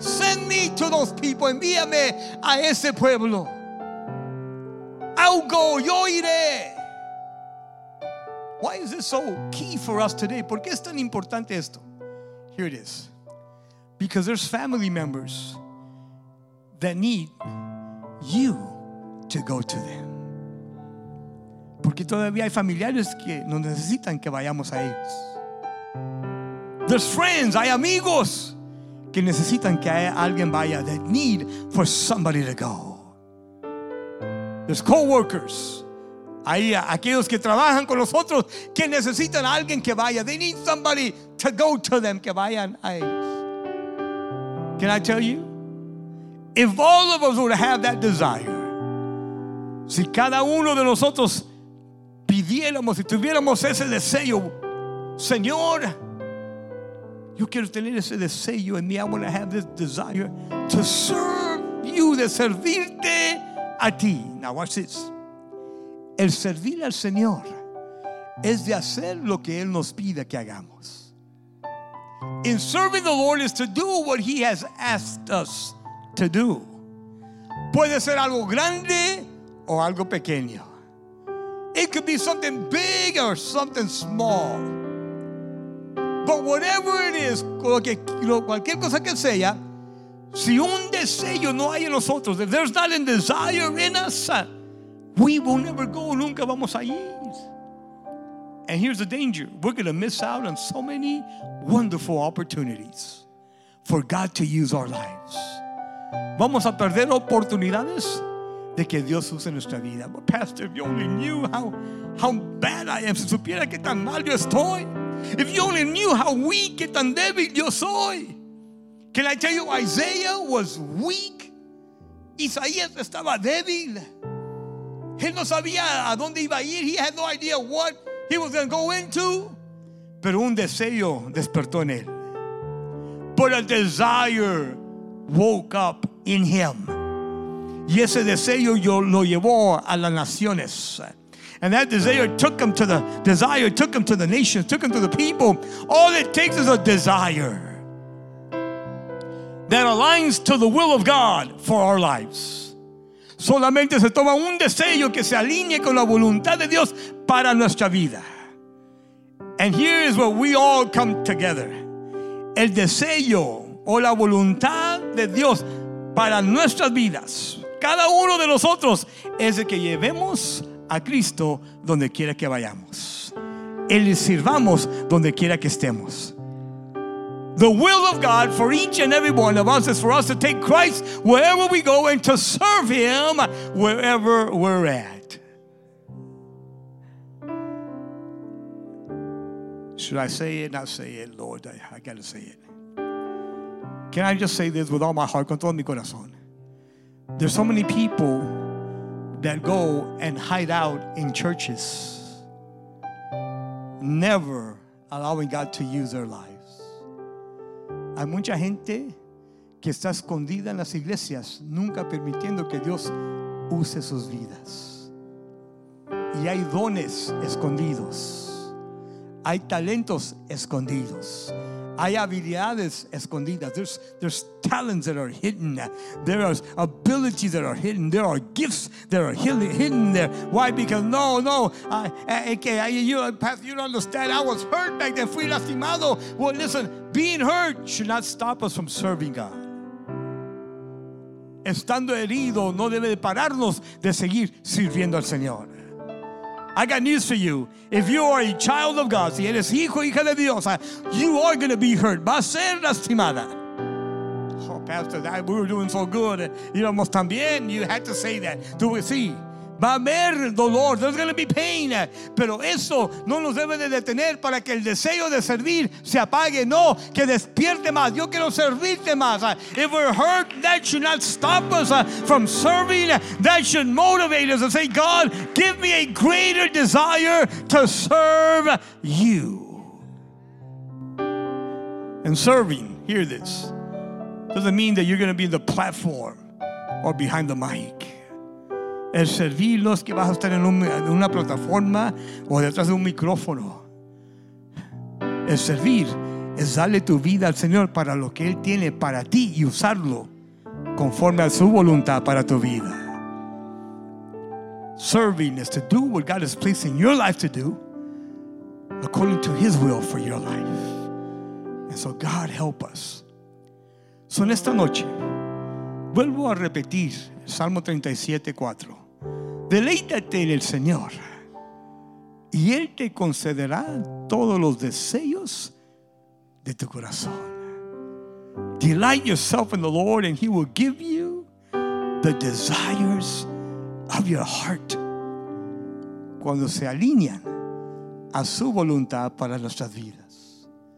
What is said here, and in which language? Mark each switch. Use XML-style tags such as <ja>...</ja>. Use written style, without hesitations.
<en>Send me to those people.</en> <es>Envíame a ese pueblo.</es> <en>I'll go.</en> <es>Yo iré.</es> <en>Why is this so key for us today?</en> <es>¿Por qué es tan importante esto?</es> <en>Here it is. Because there's family members that need you to go to them.</en> <es>Porque todavía hay familiares que nos necesitan que vayamos a ellos.</es> <en>There's friends,</en> <es>hay amigos que necesitan que alguien vaya,</es> <en>that need for somebody to go. There's co-workers,</en> <es>hay aquellos que trabajan con nosotros que necesitan a alguien que vaya.</es> <en>They need somebody to go to them,</en> <es>que vayan a ellos.</es> <en>Can I tell you? If all of us would have that desire, si cada uno de nosotros pidiéramos y tuviéramos ese deseo, Señor, yo quiero tener ese deseo en mí. I want to have this desire to serve you,</en> <es>de servirte a ti.</es> <en>Now watch this.</en> <es>El servir al Señor es de hacer lo que Él nos pide que hagamos.</es> <en>In serving the Lord is to do what He has asked us to do.</en> <es>Puede ser algo grande o algo pequeño.</es> <en>It could be something big or something small. But whatever it is,</en> <es>cualquier cosa que sea, si un deseo no hay en nosotros,</es> <en>if there's not a desire in us, we will never go.</en> <es>Nunca vamos a ir.</es> <en>And here's the danger. We're going to miss out on so many wonderful opportunities for God to use our lives.</en> <es>Vamos a perder oportunidades de que Dios use nuestra vida.</es> <en>But Pastor, if you only knew how bad I am,</en> <es>si supiera que tan mal yo estoy,</es> <en>if you only knew how weak,</en> <es>que tan débil yo soy.</es> <en>Can I tell you, Isaiah was weak.</en> <es>Isaías estaba débil. Él no sabía a dónde iba a ir.</es> <en>He had no idea what he was going to go into.</en> <es>Pero un deseo despertó en él.</es> <en>But a desire woke up in him.</en> <es>Y ese deseo lo llevó a las naciones.</es> <en>And that desire took him to the nations, took him to the people. All it takes is a desire that aligns to the will of God for our lives.</en> <es>Solamente se toma un deseo que se alinee con la voluntad de Dios para nuestra vida.</es> <en>And here is where we all come together.</en> <es>El deseo o la voluntad de Dios para nuestras vidas, cada uno de nosotros, es el que llevemos a Cristo donde quiera que vayamos. le sirvamos donde quiera que estemos.</es> <en>The will of God for each and every one of us is for us to take Christ wherever we go and to serve Him wherever we're at. Should I say it? Not say it, Lord. I gotta say it. Can I just say this with all my heart,</en> <es>con todo mi corazón?</es> <en>There's so many people that go and hide out in churches, never allowing God to use their lives.</en> <es>Hay mucha gente que está escondida en las iglesias, nunca permitiendo que Dios use sus vidas. Y hay dones escondidos. Hay talentos escondidos. Hay habilidades escondidas.</es> <en>There's talents that are hidden. There are abilities that are hidden. There are gifts that are hidden there. Why? Because no. Pastor, you don't understand. I was hurt back then.</en> <es>Fui lastimado.</es> <en>Well, listen, being hurt should not stop us from serving God.</en> <es>Estando herido no debe de pararnos de seguir sirviendo al Señor.</es> <en>I got news for you. If you are a child of God,</en> <es>si eres hijo, hija de Dios,</es> <en>you are going to be hurt.</en> <es>Va a ser lastimada.</es> <en>Oh, Pastor, we were doing so good.</en> <es>Íbamos tan bien.</es> <en>You had to say that. Do we see?</en> <es>Va a haber dolor.</es> <en>There's going to be pain.</en> <es>Pero eso no nos debe de detener para que el deseo de servir se apague. No, que despierte más. Yo quiero servirte más.</es> <en>If we're hurt, that should not stop us from serving. That should motivate us to say, God, give me a greater desire to serve you. And serving, hear this, doesn't mean that you're going to be in the platform or behind the mic.</en> <es>El servir no es que vas a estar en una plataforma o detrás de un micrófono. El servir es darle tu vida al Señor para lo que Él tiene para ti y usarlo conforme a su voluntad para tu vida.</es> <en>Serving is to do what God has placed in your life to do according to His will for your life. And so God help us.</en> <es>So en esta noche, vuelvo a repetir Salmo 37:4. Deleítate en el Señor y Él te concederá todos los deseos de tu corazón.</es> <en>Delight yourself in the Lord and He will give you the desires of your heart.</en> <es>Cuando se alinean a su voluntad para nuestras vidas.</es>